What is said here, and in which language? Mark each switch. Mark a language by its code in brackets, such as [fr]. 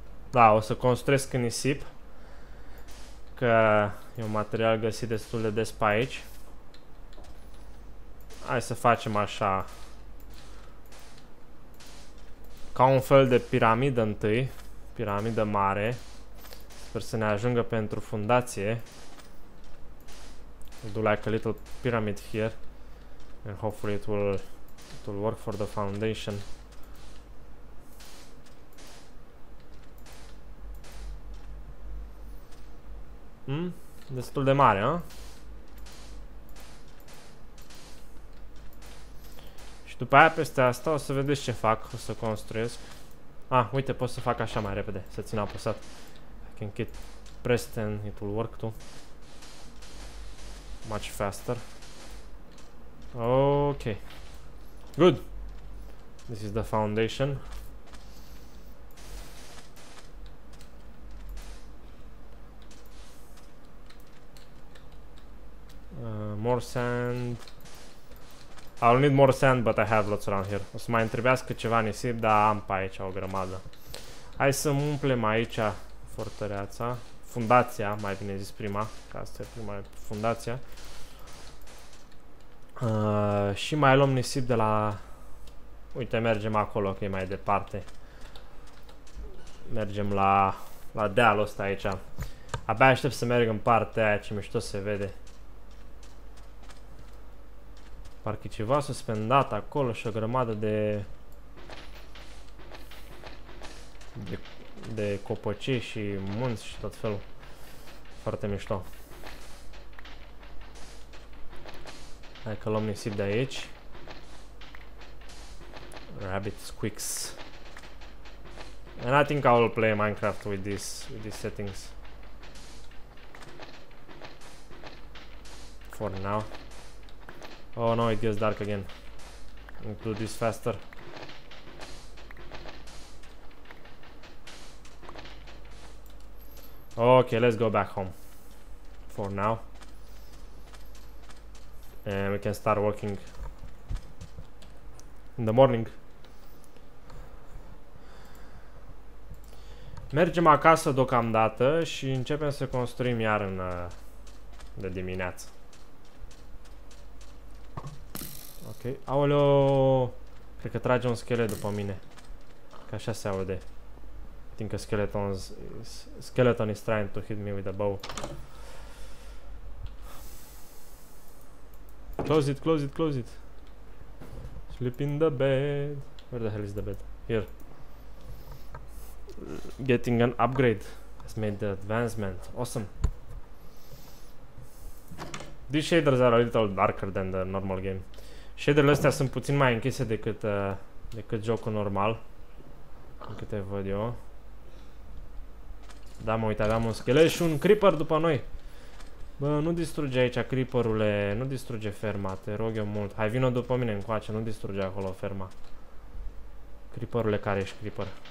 [ro] Da, o să construiesc în nisip. Că e un material găsit destul de des pe aici. Hai să facem așa, ca un fel de piramidă întâi, piramidă mare, sper să ne ajungă pentru fundație. [en] We'll do like a little pyramid here, and hopefully it will work for the foundation. [ro] Destul de mare, a? După aia, peste asta, o să vedeți ce fac, o să construiesc. Ah, uite, pot să fac așa mai repede, să țin apăsat. [en] I can keep pressed and it will work too. Much faster. Ok. Good. This is the foundation. More sand. I'll need more sand, but I have lots around here. [ro] O să mai întrebească ceva nisip, dar am pe aici o grămadă. Hai să umplem aici fortăreața. Fundația, mai bine zis prima. Că asta e prima, fundația. Și mai luăm nisip de la... Uite, mergem acolo, că e mai departe. Mergem la dealul ăsta aici. Abia aștept să merg în partea aia, ce mișto se vede. Parcă ceva suspendat acolo și o grămadă de copăcii și munți și tot felul. Foarte mișto. Hai că luăm nisip de aici. [en] Rabbit squeaks. And I think I will play Minecraft with these settings. For now. Oh no, it gets dark again. We'll do this faster. Okay, let's go back home. For now. And we can start working. In the morning. [ro] Mergem acasă deocamdată și începem să construim iar în de dimineață. Ok, aoleo, Cred că trage un schelet după mine. Că așa se aude. [en] Think a skeleton is trying to hit me with a bow. Close it, close it, close it. Sleep in the bed. Where the hell is the bed? Here. Getting an upgrade has made the advancement. Awesome. These shaders are a little darker than the normal game. [ro] Shaderele astea sunt puțin mai închise decât decât jocul normal. Din câte văd eu. Da, mă, uite, aveam un schelet și un creeper după noi. Bă, nu distruge aici, creeperule, nu distruge ferma, te rog eu mult. Hai, vină după mine încoace, nu distruge acolo ferma. Creeperule, care ești creeper?